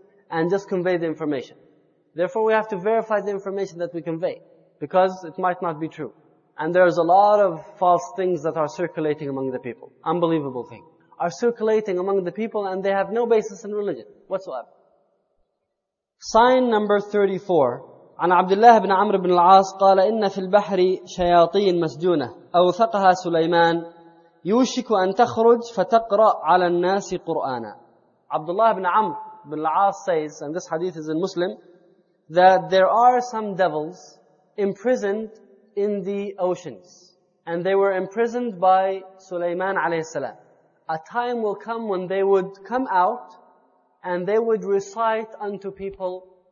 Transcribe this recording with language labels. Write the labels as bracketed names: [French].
[English] And just convey the information. Therefore, we have to verify the information that we convey. Because it might not be true. And there's a lot of false things that are circulating among the people. Unbelievable things. Are circulating among the people and they have no basis in religion whatsoever. Sign number 34. [Arabic] عن عبد الله بن عمرو بن العاص قال إن في البحر شياطين مسجونة أوثقها سليمان يوشك أن تخرج فتقرأ على الناس قرآنا. [English] Abdullah ibn Amr ibn al-As says, and this hadith is in Muslim, that there are some devils imprisoned in the oceans. And they were imprisoned by Sulaiman alayhi salam. A time will come when they would come out and they would recite unto people.